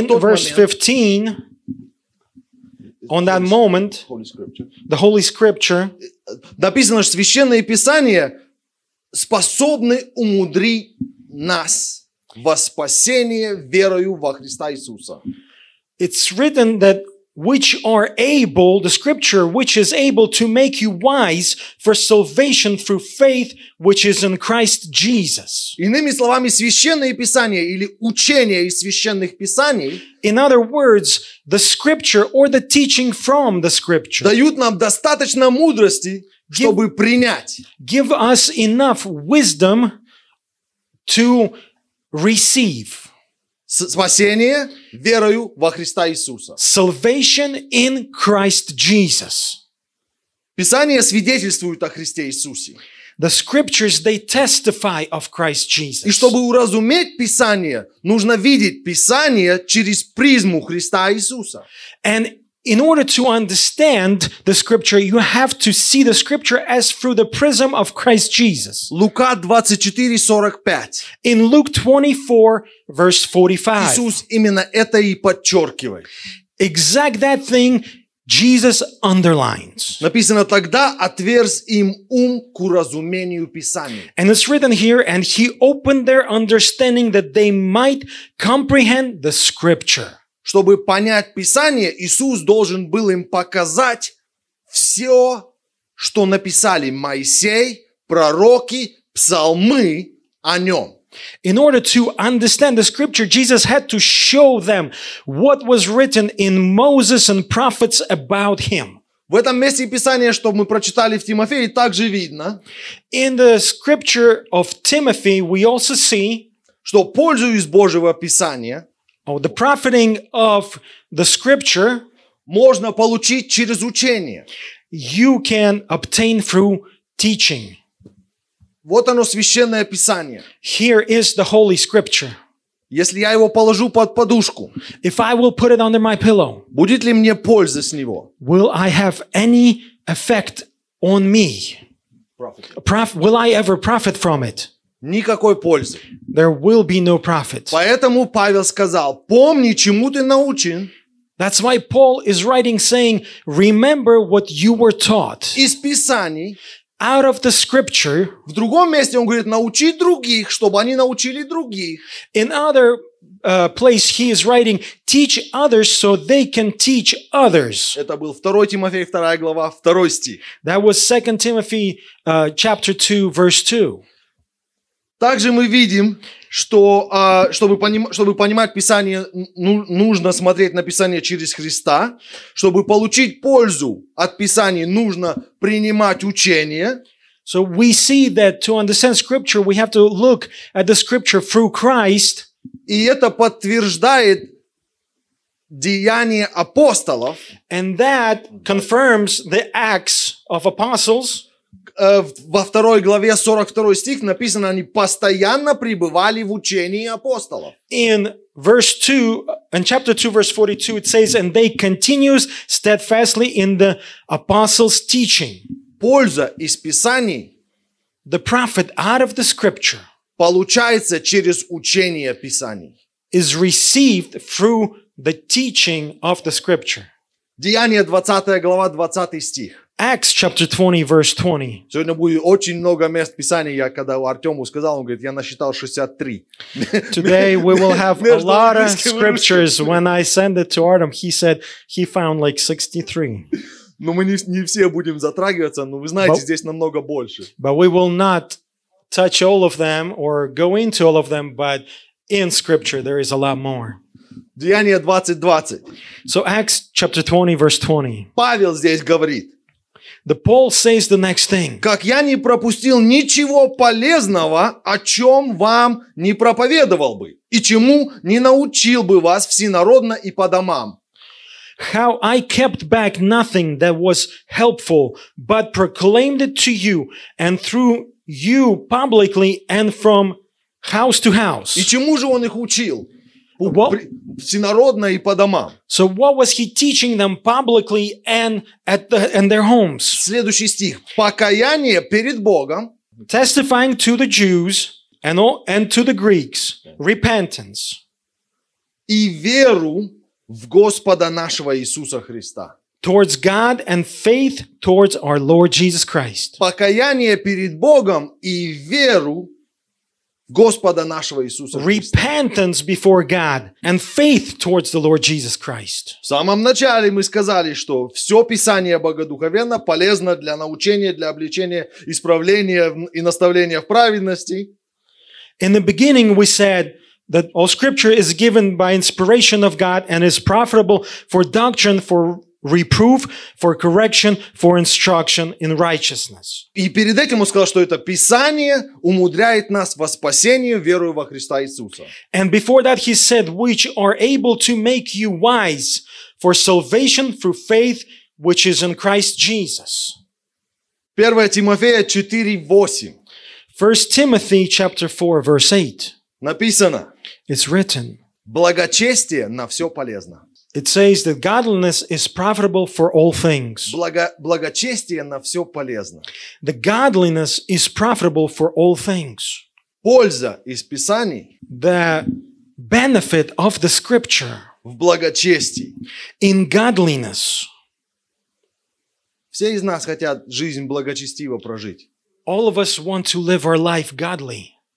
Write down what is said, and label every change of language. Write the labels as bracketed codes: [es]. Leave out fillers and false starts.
[en] in [ru] тот [en] verse [ru] момент, [en] 15, on that Holy moment, Scripture. The Holy Scripture, [ru] написано, что священные писания способны умудрить нас во спасение верою во Христа Иисуса. [en] It's written that which are able, the scripture, which is able to make you wise for salvation through faith, which is in Christ Jesus. [ru] Иными словами, священное писание или учение из священных писаний, [en] in other words, the scripture or the teaching from the scripture, [ru] дают нам достаточно мудрости, чтобы принять. [en] Give us enough wisdom to receive. [ru] Спасение верою во Христа Иисуса. [en] Salvation in Christ Jesus. [ru] Писание свидетельствует о Христе Иисусе. [en] The scriptures, they testify of Christ Jesus. [ru] И чтобы уразуметь Писание, нужно видеть Писание через призму Христа Иисуса. [en] And in order to understand the scripture, you have to see the scripture as through the prism of Christ Jesus. [ru] Лука 24:45. [en] In Luke 24:45. [ru] Иисус именно это и подчеркивает. [en] Exact that thing Jesus underlines. [ru] Написано тогда отверз им ум к уразумению Писания. [en] And it's written here, and he opened their understanding that they might comprehend the scripture. [ru] Чтобы понять Писание, Иисус должен был им показать все, что написали Моисей, пророки, псалмы о нем. [en] In order to understand the scripture, Jesus had to show them what was written in Moses and prophets about him. [ru] В этом месте Писания, что мы прочитали в Тимофее, также видно. [en] In the scripture of Timothy, we also see, [ru] что пользуясь Божьего Писания, [en] oh, the profiting of the scripture [ru] можно получить через учение. [en] You can obtain through teaching. [ru] Вот оно священное писание. [en] Here is the holy scripture. [ru] Если я его положу под подушку, [en] if I will put it under my pillow, [ru] будет ли мне польза с него? [en] Will I have any effect on me? Will I ever profit from it? [ru] Никакой пользы. [en] There will be no profit. [ru] Поэтому Павел сказал: "Помни, чему ты научен". [en] That's why Paul is writing saying, "Remember what you were taught". [ru] Из Писаний, [en] out of the scripture. [ru] В другом месте он говорит: "Научи других, чтобы они научили других". [en] In other place he is writing, "Teach others so they can teach others". [ru] Это был 2 Тимофей 2 глава, 2 стих. [en] That was 2 Timothy chapter 2 verse 2. [ru] Также мы видим, что чтобы понимать Писание, нужно смотреть на Писание через Христа. Чтобы получить пользу от Писания, нужно принимать учение. [en] So we see that to understand Scripture, we have to look at the Scripture through Christ. [ru] И это подтверждает деяние апостолов. [en] And that confirms the Acts of Apostles. [ru] Во второй главе 42 стих написано, они постоянно пребывали в учении апостолов. [en] In verse 2, in chapter 2, verse 42, it says, and they continues steadfastly in the apostles' teaching. [ru] Польза из Писаний, [en] the profit out of the scripture, [ru] получается через учение Писаний, [en] is received through the teaching of the scripture. [ru] Деяния 20 глава, 20 стих. [en] Acts chapter 20 verse 20. [ru] Сегодня будет очень много мест писания. Я когда Артему сказал, он говорит, я насчитал 63. [en] Today we will have a lot of scriptures. When I send it to Artem, he said he found like 63. [ru] Но мы не все будем затрагиваться, но вы знаете, здесь намного больше. [en] But we will not touch all of them or go into all of them, but in scripture there is a lot more. [ru] Деяния 20:20. [en] So Acts chapter 20 verse 20. [ru] Павел здесь говорит. [en] The Paul says the next thing. [ru] Как я не пропустил ничего полезного, о чем вам не проповедовал бы, и чему не научил бы вас всенародно и по домам. [en] How I kept back nothing that was helpful, but proclaimed it to you, and through you publicly, and from house to house. [ru] И чему же он их учил? Всенародно и по домам. [en] So what was he teaching them publicly and at the and their homes? [ru] Следующий стих. Покаяние перед Богом. [en] Testifying to the Jews and all, and to the Greeks. Repentance. [ru] И веру в Господа нашего Иисуса Христа. [en] Towards God and faith towards our Lord Jesus Christ. [ru] Покаяние перед Богом и веру Господа нашего Иисуса Христа. [en] Repentance before God and faith towards the Lord Jesus Christ. [ru] В самом начале мы сказали, что все Писание богодуховенно полезно для научения, для обличения, исправления и наставления в праведности. [en] In the beginning we said that all scripture is given by inspiration of God and is profitable for doctrine, for reproof, for correction, for instruction in righteousness. [ru] И перед этим он сказал, что это Писание умудряет нас во спасение, веруя во Христа Иисуса. [en] And before that he said, which are able to make you wise for salvation through faith, which is in Christ Jesus. [ru] 1 Тимофея 4:8. [en] 1 Timothy chapter 4, verse 8. [ru] Написано. [en] It's written. [ru] Благочестие на все полезно. [en] It says that godliness is profitable for all things. [ru] Благочестие на все полезно. [en] The godliness is profitable for all things. [ru] Польза из Писаний. [en] The benefit of the scripture. [ru] В благочестии. [en] In godliness. [ru] Все из нас хотят жизнь благочестиво прожить. [en] All of us want to live our life godly.